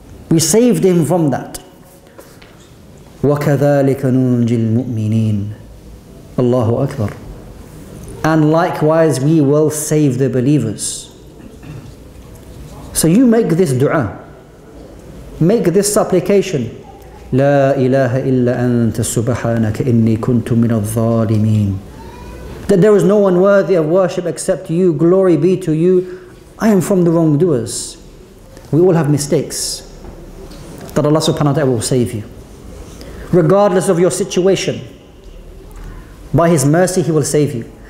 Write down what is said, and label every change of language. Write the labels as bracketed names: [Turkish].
[English] We saved him from that. [Arabic] وَكَذَلِكَ نُنْجِي الْمُؤْمِنِينَ, اللَّهُ أَكْبَرُ, [English] and likewise we will save the believers. So you make this dua, make this supplication, [Arabic] لا إله إلا أنت سبحانك إني كنت من الظالمين. [English] That there is no one worthy of worship except you. Glory be to you. I am from the wrongdoers. We all have mistakes. That Allah subhanahu wa ta'ala will save you. Regardless of your situation, by His mercy He will save you.